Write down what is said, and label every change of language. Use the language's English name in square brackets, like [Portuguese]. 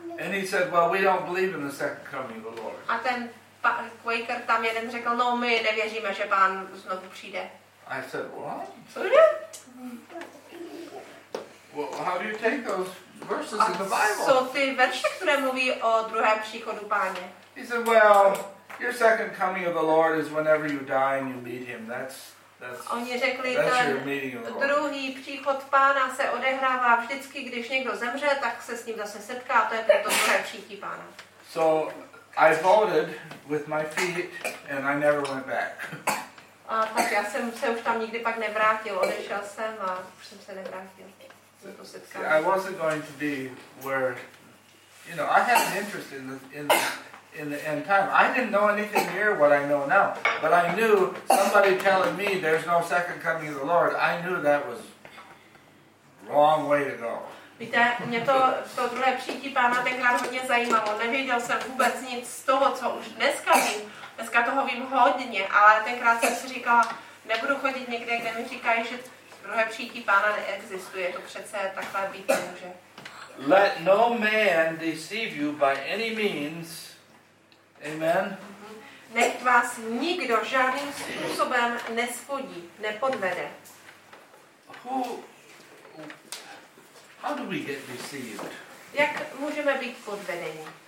[English] And he said, well, we don't believe in the second coming of the Lord. [Czech] A ten Quaker tam jeden řekl, no, my nevěříme, že Pán znovu přijde. [English] I said, what? Well, how do you take those verses in the Bible? [Czech] Jsou ty verše, které mluví o druhém příchodu Páně. [English] He said, well, your second coming of the Lord is whenever you die and you meet him. That's your meeting of the Lord. [Czech] Druhý příchod Pána se odehrává vždycky, když někdo zemře, tak se s ním zase setká, to je proto druhé příchodí Pána. [English] So, I voted with my feet and I never went back. [Czech] Tak já jsem se už tam nikdy pak nevrátil. Odešel jsem a už jsem se nevrátil. [English] I wasn't going to be where, you know, I had an interest in the end time. I didn't know anything near what I know now, but I knew somebody telling me there's no second coming of the Lord. I knew that was long way to go. [Czech] Víte, mě to druhé přijetí pána tenkrát hodně zajímalo. Nevěděl jsem vůbec nic z toho, co už dneska vím. Dneska toho vím hodně, ale tenkrát jsem si říkala, nebudu chodit někde, kde mi říkají, že druhé přijetí pána neexistuje. To přece takhle být nemůže. [English] Let no man deceive you by any means. Amen. [Czech] Nech vás nikdo žádným způsobem nespodí, nepodvede. [English] How do we get deceived? [Czech] Jak můžeme být podvedeni?